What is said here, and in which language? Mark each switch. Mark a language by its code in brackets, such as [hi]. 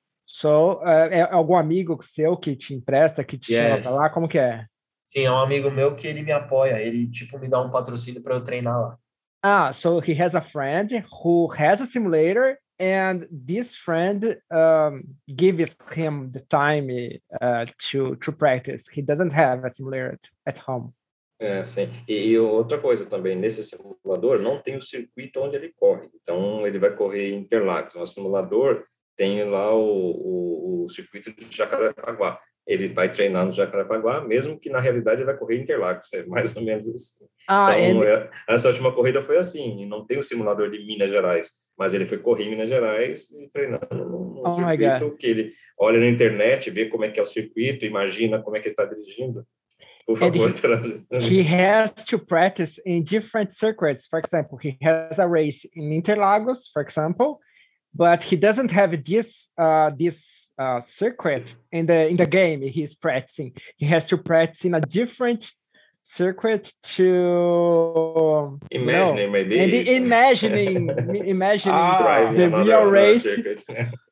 [pt] So, é algum amigo seu que te empresta, que te chama pra lá? Como que é? Sim, é um amigo meu que ele me apoia. Ele, tipo, me dá um patrocínio para eu treinar lá. [en] Ah, so he has a friend who has a simulator, and this friend gives him the time to practice. He doesn't have a simulator at home. [pt] É, sim. E outra coisa também, nesse simulador não tem o circuito onde ele corre. Então, ele vai correr em Interlagos. O simulador... tem lá o circuito de Jacarepaguá. Ele vai treinar no Jacarepaguá, mesmo que na realidade ele vai correr Interlagos, é mais ou menos assim. Essa última corrida foi assim, não tem o simulador de Minas Gerais, mas ele foi correr em Minas Gerais e treinando no circuito, que ele olha na internet, vê como é que é o circuito, imagina como é que ele está dirigindo. Por favor, [en] He has to practice in different circuits. For example, he has a race in Interlagos, for example, but he doesn't have this circuit in the game he's practicing. He has to practice in a different circuit to imagining the race.